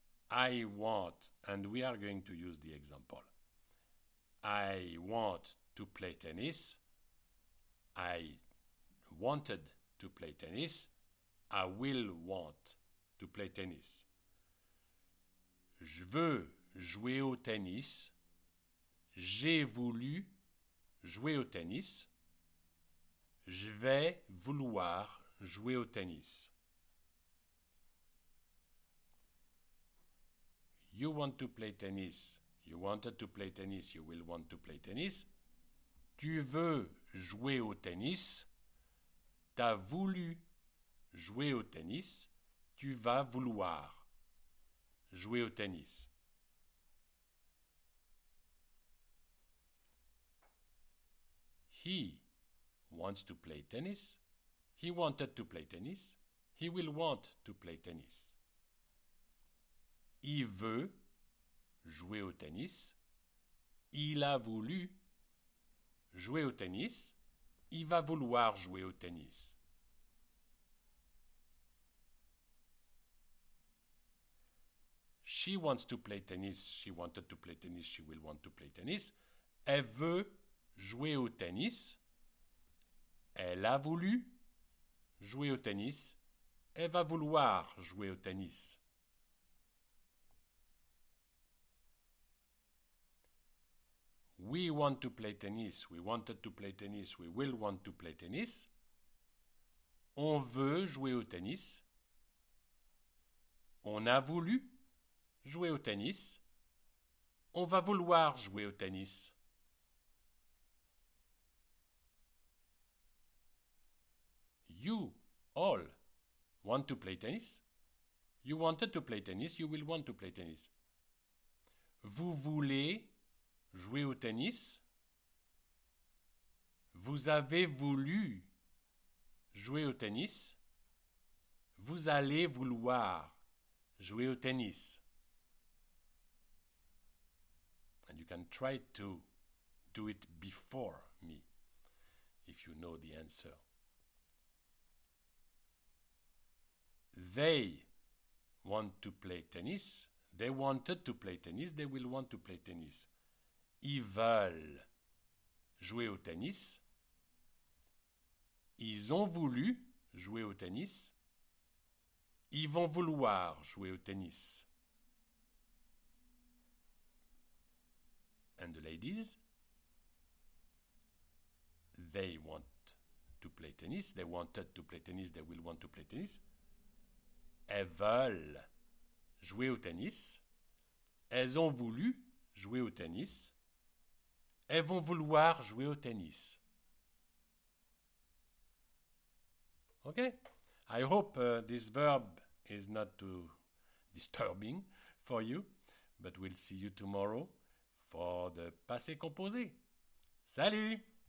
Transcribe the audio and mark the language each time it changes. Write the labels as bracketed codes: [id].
[en] I want, and we are going to use the example. I want to play tennis. I wanted to play tennis. I will want to play tennis. [fr] Je veux jouer au tennis. J'ai voulu jouer au tennis. Je vais vouloir jouer au tennis. [en] You want to play tennis. You wanted to play tennis. You will want to play tennis. [fr] Tu veux jouer au tennis. T'as voulu jouer au tennis. Tu vas vouloir jouer au tennis. [en] He wants to play tennis. He wanted to play tennis. He will want to play tennis. [fr] Il veut jouer au tennis. Il a voulu jouer au tennis. Il va vouloir jouer au tennis. [en] She wants to play tennis. She wanted to play tennis. She will want to play tennis. [fr] Elle veut jouer au tennis. Elle a voulu jouer au tennis. Elle va vouloir jouer au tennis. [en] We want to play tennis. We wanted to play tennis. We will want to play tennis. [fr] On veut jouer au tennis. On a voulu jouer au tennis. On va vouloir jouer au tennis. [en] you all want to play tennis? You wanted to play tennis, you will want to play tennis. [fr] Vous voulez jouer au tennis? Vous avez voulu jouer au tennis? Vous allez vouloir jouer au tennis? [en] And you can try to do it before me, if you know the answer. They want to play tennis. They wanted to play tennis. They will want to play tennis. [fr] Ils veulent jouer au tennis. Ils ont voulu jouer au tennis. Ils vont vouloir jouer au tennis. [en] And the ladies, they want to play tennis. They wanted to play tennis. They will want to play tennis. [fr] Elles veulent jouer au tennis. Elles ont voulu jouer au tennis. Elles vont vouloir jouer au tennis. [en] Okay? I hope this verb is not too disturbing for you, but we'll see you tomorrow for the passé composé. Salut!